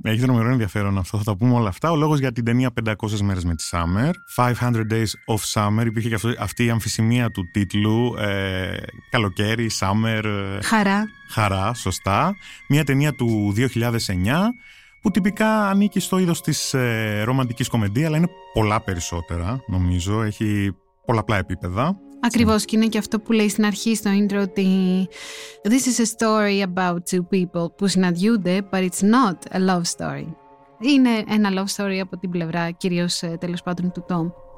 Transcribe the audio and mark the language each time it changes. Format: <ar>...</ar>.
<el>Έχει τρομερό ενδιαφέρον αυτό, θα τα πούμε όλα αυτά. Ο λόγος για την ταινία 500 μέρες με τη Summer, 500 Days of Summer, υπήρχε και αυτή η αμφισημία του τίτλου, καλοκαίρι, Summer. Χαρά. Χαρά, σωστά. Μια ταινία του 2009, που τυπικά ανήκει στο είδος της ρομαντικής κομεντία, αλλά είναι πολλά περισσότερα, νομίζω. Έχει πολλαπλά επίπεδα. Ακριβώς, και είναι και αυτό που λέει στην αρχή στο intro, ότι</el> <en>«This is a story about two people</en> <el>που συναντιούνται,</el> <en>but it's not a love story».</en> <el>Είναι ένα love story από την πλευρά, κυρίως τέλος πάντων, του Tom.</el>